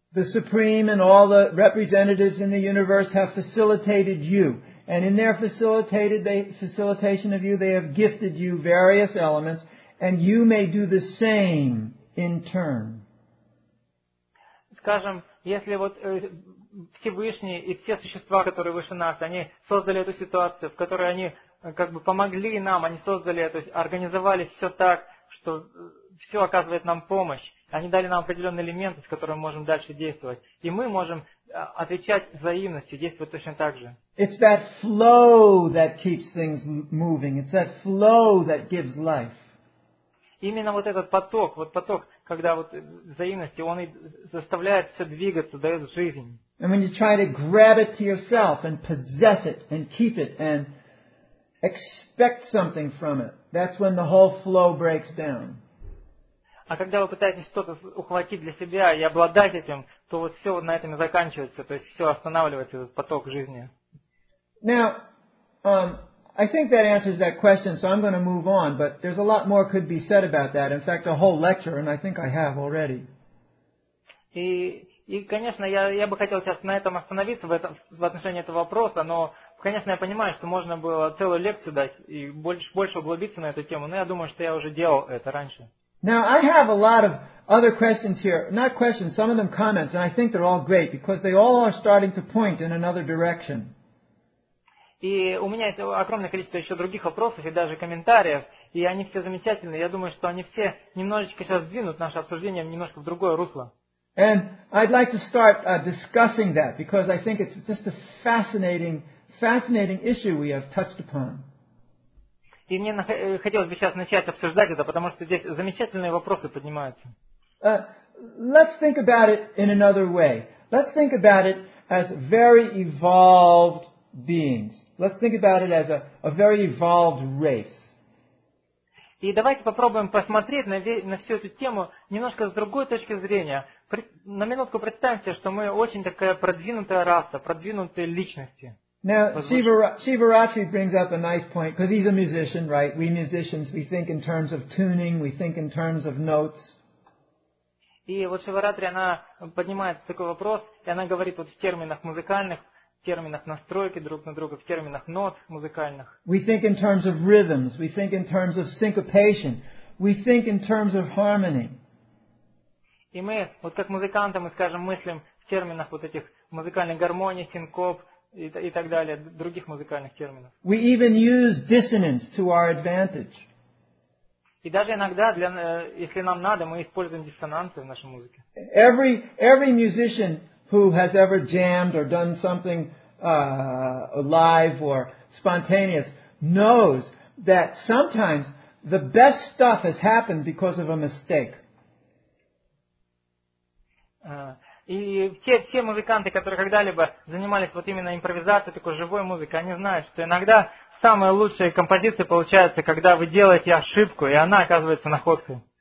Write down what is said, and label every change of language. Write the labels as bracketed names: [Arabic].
[English] The Supreme and all the representatives in the universe have facilitated you. And in their facilitation of you, they have gifted you various elements, and you may do the same in turn. [Russian] Скажем, если вот Всевышние и все существа, которые выше нас, они создали эту ситуацию, в которой они как бы помогли нам, они создали это, организовали все так, что все оказывает нам помощь. Они дали нам определенные элементы, с которыми мы можем дальше действовать. И мы можем отвечать взаимностью, действовать точно так же. [English] It's that flow that keeps things moving. It's that flow that gives life. [Russian] Именно вот этот поток, вот поток, когда вот взаимности, он и заставляет все двигаться, дает жизнь. [English] And when you try to grab it to yourself and possess it and keep it and expect something from it, that's when the whole flow breaks down. [Russian] А когда вы пытаетесь что-то ухватить для себя и обладать этим, то вот все на этом и заканчивается, то есть все останавливается, этот поток жизни. [English] Now, I think that answers that question, so I'm going to move on, but there's a lot more could be said about that. In fact, a whole lecture, and I think I have already. [Russian] И, конечно, я бы хотел сейчас на этом остановиться в отношении этого вопроса, но, конечно, я понимаю, что можно было целую лекцию дать и больше углубиться на эту тему, но я думаю, что я уже делал это раньше. [English] Now, I have a lot of other questions here. Not questions, some of them comments, and I think they're all great, because they all are starting to point in another direction. [Russian] И у меня есть огромное количество еще других вопросов и даже комментариев, и они все замечательные. Я думаю, что они все немножечко сейчас сдвинут наше обсуждение немножко в другое русло. [English] And I'd like to start discussing that because I think it's just a fascinating issue we have touched upon. [Russian] И мне хотелось бы сейчас начать обсуждать это, потому что здесь замечательные вопросы поднимаются. [English] Let's think about it in another way. Let's think about it as very evolved beings. Let's think about it as a very evolved race. [Russian] И давайте попробуем посмотреть на всю эту тему немножко с другой точки зрения. На минутку представим себе, что мы очень такая продвинутая раса, продвинутые личности. [English] Now, Shivaratri brings up a nice point, because he's a musician, right? We musicians, we think in terms of tuning, we think in terms of notes. [Russian] И вот Шиваратри, она поднимает такой вопрос, и она говорит вот в терминах музыкальных, в терминах настройки друг на друга, в терминах нот музыкальных. [English] We think in terms of rhythms, we think in terms of syncopation, we think in terms of harmony. [Russian] И мы, вот как музыканты, мы, скажем, мыслим в терминах вот этих музыкальных гармоний, синкоп и так далее, других музыкальных терминов. [English] We even use dissonance to our advantage. [Russian] И даже иногда, для, если нам надо, мы используем диссонансы в нашей музыке. [English] Every musician who has ever jammed or done something live or spontaneous knows that sometimes the best stuff has happened because of a mistake. [Russian] И все музыканты, которые когда-либо занимались вот именно импровизацией, такой живой музыкой, они знают, что иногда самые лучшие композиции получаются, когда вы делаете ошибку, и она оказывается находкой.